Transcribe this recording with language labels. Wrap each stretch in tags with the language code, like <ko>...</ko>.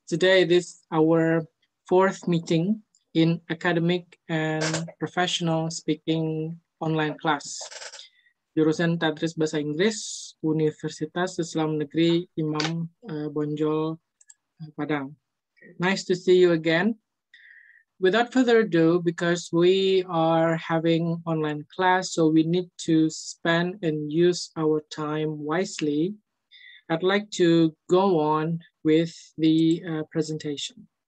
<en>Today it is our fourth meeting in academic and professional speaking online class.</en> <id>Jurusan Tadris Bahasa Inggris, Universitas Islam Negeri Imam Bonjol, Padang.</id> <en>Nice to see you again. Without further ado, because we are having online class, so we need to spend and use our time wisely, I'd like to go on with the presentation.</en>